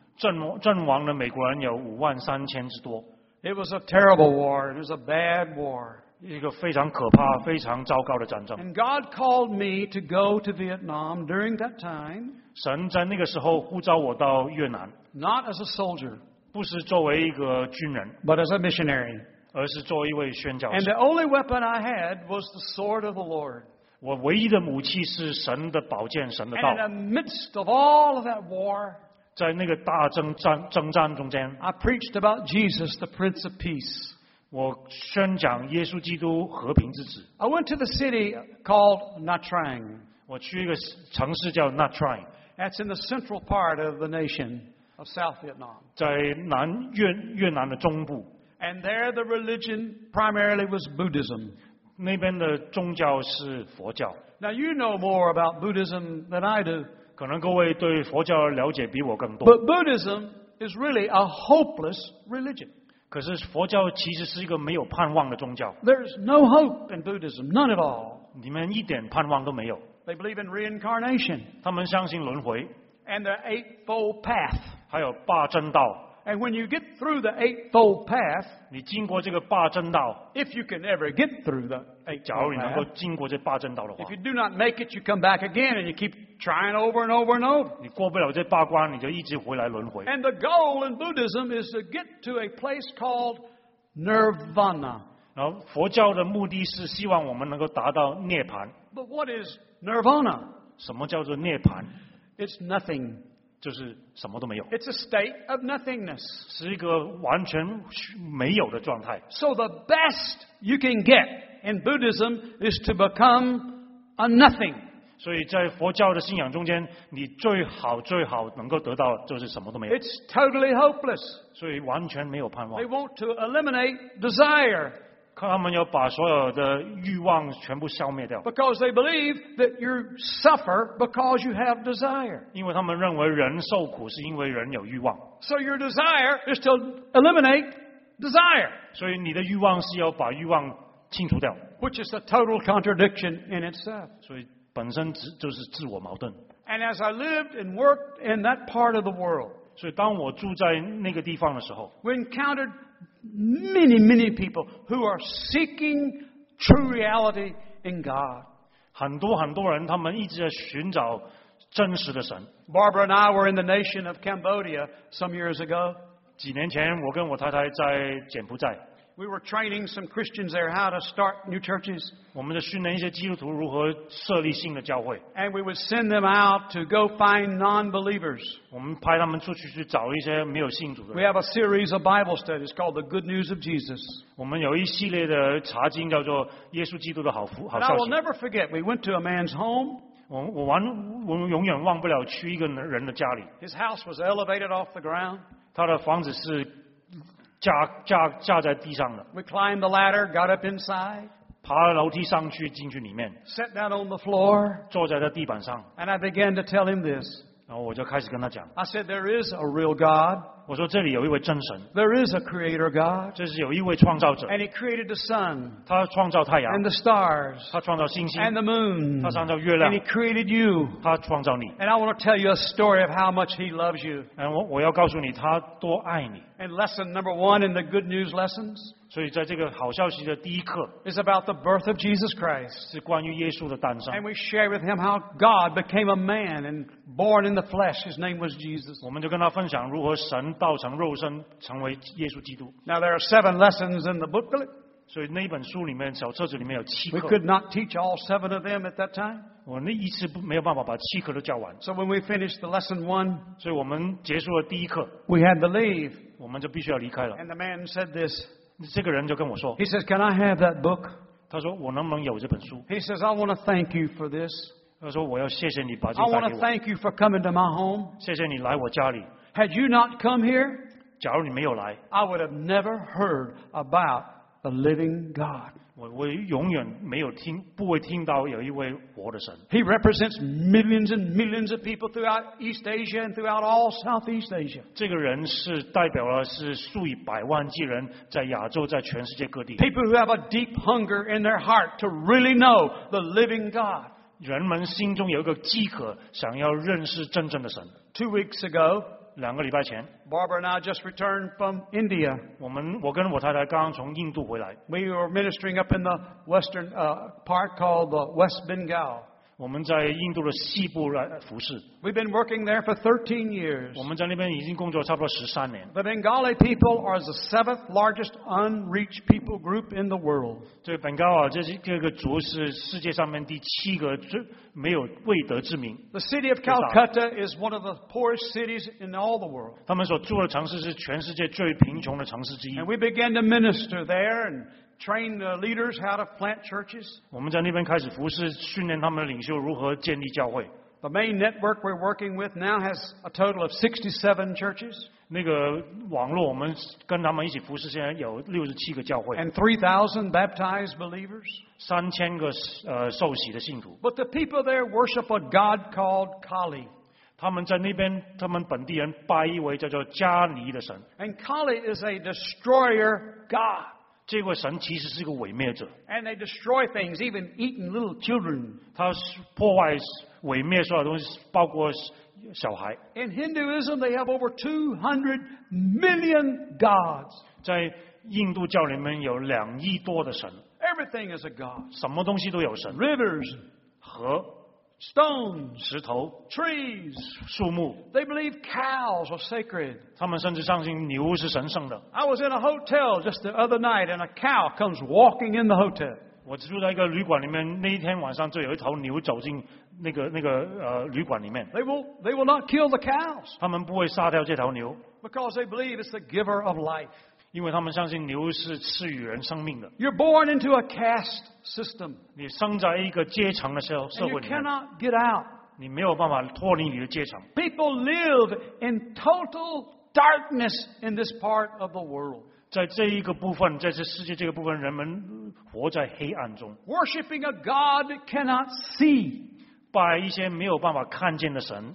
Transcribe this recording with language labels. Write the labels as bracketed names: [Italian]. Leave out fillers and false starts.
[Chinese] 阵亡的美国人有53,000之多 [English] It was a terrible war. It was a bad war. [Chinese] 一个非常可怕、非常糟糕的战争 [English] And God called me to go to Vietnam during that time. [Chinese] 神在那个时候呼召我到越南 [English] not as a soldier, [Chinese] 不是作为一个军人 [English] but as a missionary. [Chinese] 而是做一位宣教士。 [English] And the only weapon I had was the sword of the Lord. [Chinese] 我唯一的武器是神的宝剑，神的道。 [English] And in the midst of all of that war, [Chinese] 在那个大征战中间 [English] I preached about Jesus, the Prince of Peace. [Chinese] 我宣讲耶稣基督和平之子。 [English] I went to the city called Natrang. [Chinese] 我去一个城市叫 Natrang. [English] That's in the central part of the nation of South Vietnam. [Chinese] 在南越南的中部。 [English] And there the religion primarily was Buddhism. [Chinese] 那边的宗教是佛教。 [English] Now you know more about Buddhism than I do. [Chinese] 可能各位对佛教了解比我更多。 [English] But Buddhism is really a hopeless religion. [Chinese] 可是佛教其实是一个没有盼望的宗教。 [English] There's no hope in Buddhism, none at all. [Chinese] 你们一点盼望都没有。 [English] They believe in reincarnation. [Chinese] 他们相信轮回。 [English] And the Eightfold Path. [Chinese] 还有八正道。 [English] And when you get through the Eightfold Path, [Chinese] 你经过这个八正道， [English] if you can ever get through the Eightfold Path, [Chinese] 假如你能够经过这八正道的话， [English] if you do not make it, you come back again and you keep trying over and over and over. [Chinese] 你过不了这八关，你就一直回来轮回。 [English] And the goal in Buddhism is to get to a place called Nirvana. [Chinese] 然后佛教的目的是希望我们能够达到涅槃。 [English] But what is Nirvana? [Chinese] 什么叫做涅槃？ [English] It's nothing. [Chinese] 就是什么都没有。 [English] It's a state of nothingness. [Chinese] 是一个完全没有的状态。 [English] So the best you can get in Buddhism is to become a nothing. [Chinese] 所以在佛教的信仰中间，你最好最好能够得到就是什么都没有。 [English] It's totally hopeless. [Chinese] 所以完全没有盼望。 [English] They want to eliminate desire. [Chinese] 他们要把所有的欲望全部消灭掉。 [English] Because they believe that you suffer because you have desire. [Chinese] 因为他们认为人受苦是因为人有欲望。 [English] So your desire is to eliminate desire. [Chinese] 所以你的欲望是要把欲望清除掉。 [English] Which is a total contradiction in itself. [Chinese] 所以本身就是自我矛盾。 [English] And as I lived and worked in that part of the world, [Chinese] 所以当我住在那个地方的时候， [English] we encountered many, many people who are seeking true reality in God. [Chinese] 很多很多人，他们一直在寻找真实的神。 [English] Barbara and I were in the nation of Cambodia some years ago. [Chinese] 几年前，我跟我太太在柬埔寨。 [English] We were training some Christians there how to start new churches. [Chinese] 我们在训练一些基督徒如何设立新的教会。 [English] And we would send them out to go find non-believers. [Chinese] 我们派他们出去去找一些没有信主的人。 [English] We have a series of Bible studies called The Good News of Jesus. [Chinese] 我们有一系列的查经叫做耶稣基督的好福好消息。 [English] And I will never forget, we went to a man's home. [Chinese] 我永远忘不了去一个人的家里。 [English] His house was elevated off the ground. [Chinese] 他的房子是架在地上的。 [English] We climbed the ladder, got up inside. [Chinese] 爬了楼梯上去，进去里面。 [English] Sat down on the floor. [Chinese] 坐在地板上。 [English] And I began to tell him this. [Chinese] 然后我就开始跟他讲。 [English] I said, there is a real God. [Chinese] 我说这里有一位真神。 [English] There is a creator God. [Chinese] 这是有一位创造者。 [English] And he created the sun. [Chinese] 他创造太阳。 [English] And the stars. [Chinese] 他创造星星。 [English] And the moon. [Chinese] 他创造月亮。 [English] And he created you. [Chinese] 他创造你。 [English] And I want to tell you a story of how much he loves you. [Chinese] 我要告诉你他多爱你。 [English] And lesson number one in the good news lessons. [Chinese] 所以在这个好消息的第一课 [English] is about the birth of Jesus Christ. [Chinese] 是关于耶稣的诞生。 [English] And we share with him how God became a man and born in the flesh. His name was Jesus. [Chinese] 我们就跟他分享如何神道成肉身，成为耶稣基督。 [English] Now there are seven lessons in the booklet. [Chinese] 所以那本书里面小册子里面有七课。 [English] We could not teach all seven of them at that time. [Chinese] 我那一次没有办法把七课都教完。 [English] So when we finished the lesson one, [Chinese] 所以我们结束了第一课。 [English] We had to leave. [Chinese] 我们就必须要离开了。 [English] And the man said this. [Chinese] 这个人就跟我说。 [English] He says, "Can I have that book?" [Chinese] 他说我能不能有这本书。 [English] He says, "I want to thank you for this." [Chinese] 他说我要谢谢你把这带给我。 [English] I want to thank you for coming to my home. [Chinese] 谢谢你来我家里。 [English] Had you not come here, [Chinese] 假如你没有来 [English] I would have never heard about the living God. [Chinese] 我永远没有听，不会听到有一位活的神。 [English] He represents millions and millions of people throughout East Asia and throughout all Southeast Asia. [Chinese] 这个人是代表了是数以百万计人在亚洲，在全世界各地。 [English] People who have a deep hunger in their heart to really know the living God. [Chinese] 人们心中有一个饥渴，想要认识真正的神。 [English] Two weeks ago. [Chinese] 两个礼拜前 [English] Barbara and I just returned from India. [Chinese] 我跟我太太刚从印度回来。 [English] We were ministering up in the western part called the West Bengal. We've been working there for 13 years. The Bengali people are the seventh largest unreached people group in the world. The city of Calcutta is one of the poorest cities in all the world. And we began to minister there and train the leaders how to plant churches. [Chinese] 我们在那边开始服事，训练他们的领袖如何建立教会。 [English] The main network we're working with now has a total of 67 churches. [Chinese] 那个网络我们跟他们一起服事，现在有67个教会。 [English] And 3,000 baptized believers. [Chinese] 3,000个受洗的信徒。 [English] But the people there worship a god called Kali. [Chinese] 他们在那边，他们本地人拜一位叫做迦尼的神。 [English] And Kali is a destroyer god. [Chinese] 这位神其实是个毁灭者。 [English] And they destroy things, even eating little children. [Chinese] 他破坏毁灭所有东西，包括小孩。 [English] In Hinduism, they have over 200 million gods. [Chinese] 在印度教里面有两亿多的神。 [English] Everything is a god. [Chinese] 什么东西都有神。 [English] Rivers, [Chinese] 河。 [English] Stones, [Chinese] 石头。 [English] Trees, [Chinese] 树木。 [English] They believe cows are sacred. [Chinese] 他们甚至相信牛是神圣的。 [English] I was in a hotel just the other night, and a cow comes walking in the hotel. [Chinese] 我住在一个旅馆里面，那一天晚上就有一头牛走进那个旅馆里面。 [English] They will not kill the cows. [Chinese] 他们不会杀掉这头牛。 [English] Because they believe it's the giver of life. [Chinese] 因为他们相信牛是赐予人生命的。 [English] You're born into a caste. System. [Chinese] 你生在一个阶层的社会里面 [English] And you cannot get out. [Chinese] 你没有办法脱离你的阶层。 [English] People live in total darkness in this part of the world. [Chinese] 在这一个部分，在这世界这个部分，人们活在黑暗中。 [English] Worshipping a God cannot see. [Chinese] 拜一些没有办法看见的神。